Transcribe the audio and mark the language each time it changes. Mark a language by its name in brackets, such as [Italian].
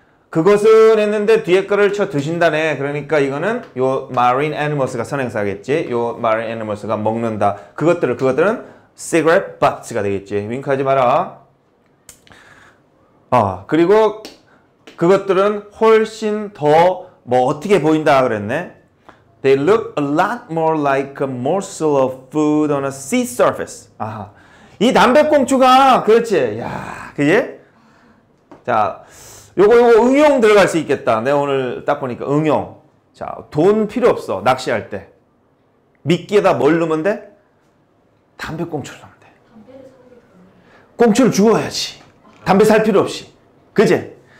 [Korean] 그것은 했는데 뒤에 거를 쳐 드신다네. 그러니까 이거는 요 marine animals가 선행사겠지. 요 marine animals가 먹는다. 그것들은 cigarette butts가 되겠지. 윙크하지 마라. 그리고 그것들은 훨씬 더 뭐 어떻게 보인다 그랬네. [English] They look a lot more like a morsel of food on a sea surface. [Korean] 아하. 이 담배꽁초가 그렇지. 야, 그지? 자, 요거 응용 들어갈 수 있겠다. 내가 오늘 딱 보니까 응용. 자, 돈 필요 없어. 낚시할 때. 미끼에다 뭘 넣으면 돼? 담배꽁초를 넣으면 돼. 꽁초를 주워야지. 담배 살 필요 없이. 그지?